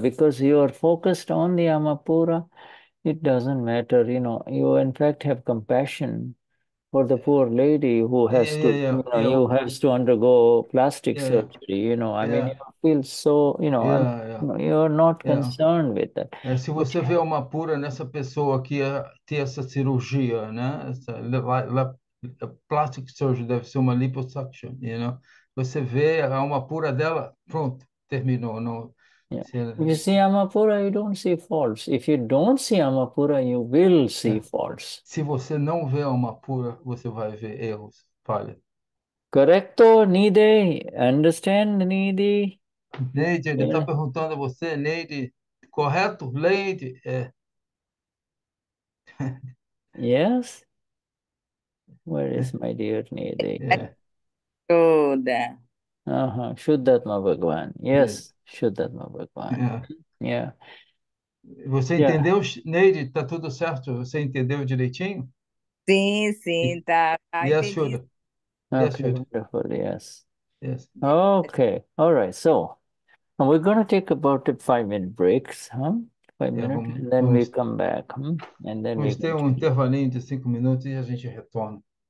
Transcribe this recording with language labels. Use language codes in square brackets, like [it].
[en] Because you are focused on the Amapura, it doesn't matter. You know, you in fact have compassion for the poor lady who has to, you have to undergo plastic surgery, you know, I mean, you feel so, you know, you're not concerned with that. [pt] Se você vê uma pura nessa pessoa que ia ter essa cirurgia, né? [en] Essa, plastic surgery [pt] deve ser uma [en] liposuction, you know? [pt] Você vê a uma pura dela, pronto, terminou, não. [en] You see Amapura, you don't see faults. If you don't see Amapura, you will see faults. [pt] Se você não vê Amapura, você vai ver erros, falha. [en] Correcto, Nide. Understand, Nide? [pt] Neide, ele está perguntando a você, Neide. Correto, Leide? É. [en] Yes. Where is my dear Nide? Shuddha. Shuddhatma Bhagwan. Yes. Shuddhatma Bhagwan. [pt] Você entendeu, Neide? Tá tudo certo? Você entendeu direitinho? Sim, sim, tá. [en] Yes, Shuddha. Yes, wonderful, yes. Yes. Okay, all right. So, and we're going to take about a 5-minute break, huh? 5 minutes, and then we come back. And then [pt] vamos ter um intervalinho de 5 minutos e a gente retorna.